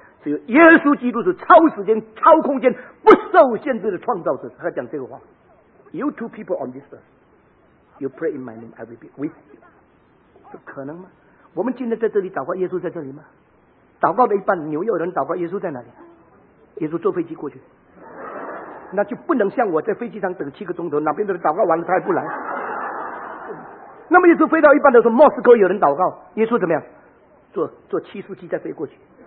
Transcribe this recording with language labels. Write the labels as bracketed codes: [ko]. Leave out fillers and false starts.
[zh] 只有耶稣基督是超时间超空间不受限制的创造者，他讲这个话。 [en] You two people on this earth， You pray in my name， I will be with you。 [zh] 这可能吗？我们今天在这里祷告，耶稣在这里吗？祷告的一半，纽约人祷告，耶稣在哪里？耶稣坐飞机过去，那就不能像我在飞机上等7个钟头，哪边的人祷告完了他还不来。那么耶稣飞到一半的时候，莫斯科有人祷告，耶稣怎么样？坐7速机再飞过去。